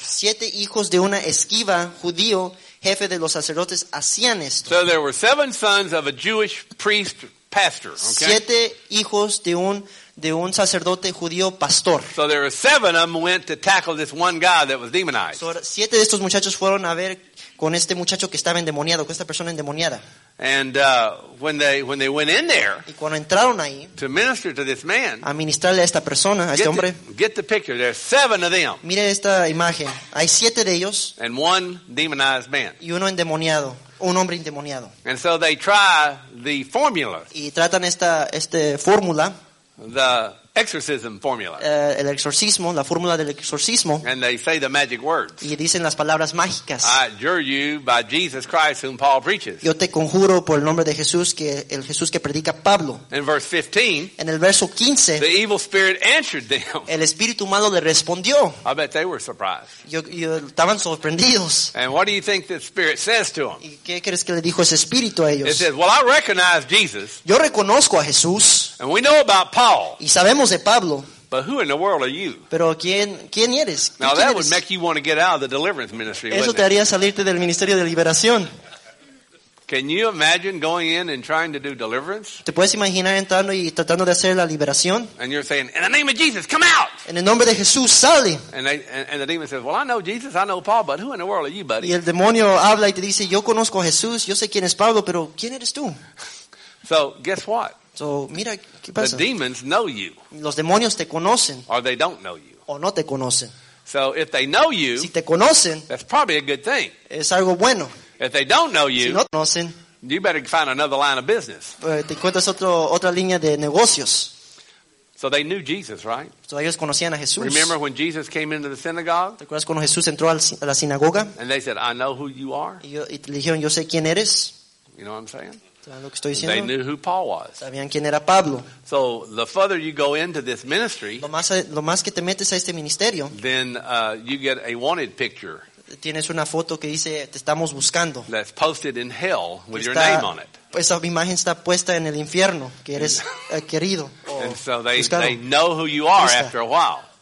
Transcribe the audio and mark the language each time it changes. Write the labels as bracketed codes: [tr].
[es] Siete hijos de una Sceva, judío. Jefe de los sacerdotes hacían esto. [en] So there were seven sons of a Jewish priest pastor. Okay? [es] Siete hijos de un sacerdote judío pastor. [en] So there were seven of them went to tackle this one guy that was demonized. [es] So, siete de estos muchachos fueron a ver con este muchacho que estaba endemoniado, con esta persona endemoniada. [en] And when they went in there, [es] y cuando entraron ahí, [en] to minister to this man, [es] a ministrarle a esta persona, a este hombre. [en] Get the picture. There's seven of them. [es] Mire esta imagen. Hay siete de ellos. [en] And one demonized man. [es] Y uno endemoniado, un hombre endemoniado. [en] And so they try the formula. [es] Y tratan esta fórmula. [en] The exorcism formula. [es] El exorcismo, la fórmula del exorcismo. [en] And they say the magic words. [es] Y dicen las palabras mágicas. [en] I adjure you by Jesus Christ whom Paul preaches. [es] Yo te conjuro por el nombre de Jesús que el Jesús que predica Pablo. [en] In verse 15. [es] En el verso 15. [en] The evil spirit answered them. [es] El espíritu malo le respondió. [en] I bet they were surprised. [es] Yo estaban sorprendidos. [en] And what do you think the spirit says to them? [es] ¿Y qué crees que le dijo ese espíritu a ellos? [en] It says, "Well, I recognize Jesus." [es] Yo reconozco a Jesús. [en] And we know about Paul. [es] Y sabemos de Pablo. [en] But who in the world are you? [es] Pero ¿quién eres? [en] Now that Would make you want to get out of the deliverance ministry. [es] Eso te haría salirte del ministerio de liberación. [en] Can you imagine going in and trying to do deliverance? [es] ¿Te puedes imaginar entrando y tratando de hacer la liberación? [en] And you're saying, "In the name of Jesus, come out!" [es] En el nombre de Jesús, sale. [en] And the demon says, "Well, I know Jesus, I know Paul, but who in the world are you, buddy?" [es] Y el demonio habla y te dice, "Yo conozco a Jesús, yo sé quién es Pablo, pero ¿quién eres tú?" [en] So guess what? [es] So, mira, ¿qué pasa? [en] The demons know you. [es] Los demonios te conocen. [en] Or they don't know you. [es] O no te conocen. [en] So if they know you, [es] si te conocen, [en] that's probably a good thing. [es] Es algo bueno. [en] If they don't know you, [es] si no te conocen, [en] you better find another line of business. [es] Te encuentras otra línea de negocios. [en] So they knew Jesus, right? [es] So ellos conocían a Jesús. [en] Remember when Jesus came into the synagogue? [es] ¿Te acuerdas cuando Jesús entró a la sinagoga? [en] And they said, "I know who you are." [es] Y te dijeron, "Yo sé quién eres." [en] You know what I'm saying? [es] Lo que estoy diciendo, [en] they knew who Paul was. [es] Sabían quién era Pablo. [en] So the further you go into this ministry, [es] lo más que te metes a este ministerio, [en] then you get a wanted picture. [es] Tienes una foto que dice te estamos buscando. [en] That's posted in hell with your name on it. [es] Esa imagen está puesta en el infierno que eres querido. [en] And so they know who you are after a while.